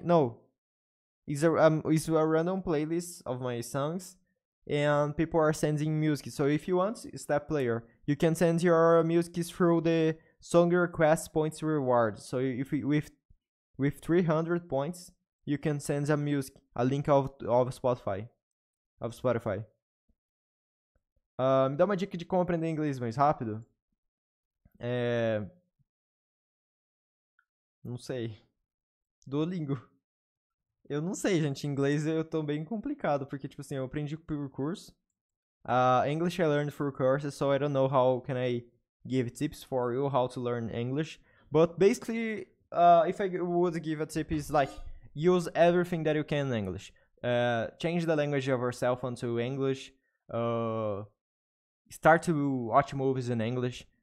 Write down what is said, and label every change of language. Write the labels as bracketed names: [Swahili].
[English] No, it's a random playlist of my songs and people are sending music. So if you want, it's that player. You can send your music through the song request points reward. So if with 300 points, you can send a music, a link of Spotify. [Portuguese] Me dá uma dica de como aprender inglês mais rápido. Não sei. Duolingo. Eu não sei, gente. Inglês eu tô bem complicado, porque, tipo assim, eu aprendi por curso. [English] English I learned through courses, so I don't know how can I give tips for you how to learn English. But basically, if I would give a tip, is like, use everything that you can in English. Change the language of yourself onto English. Start to watch movies in English.